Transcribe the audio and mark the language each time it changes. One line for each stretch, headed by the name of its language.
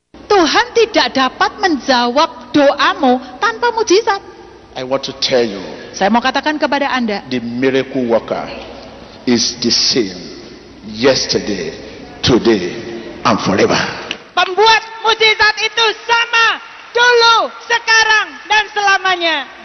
Indonesian: Tuhan tidak dapat menjawab doamu tanpa mujizat.
English: I want to tell you,
Indonesian: saya mau katakan kepada Anda,
English: the miracle worker is the same yesterday, today, and forever.
Indonesian: Pembuat mujizat itu sama dulu, sekarang, dan selamanya.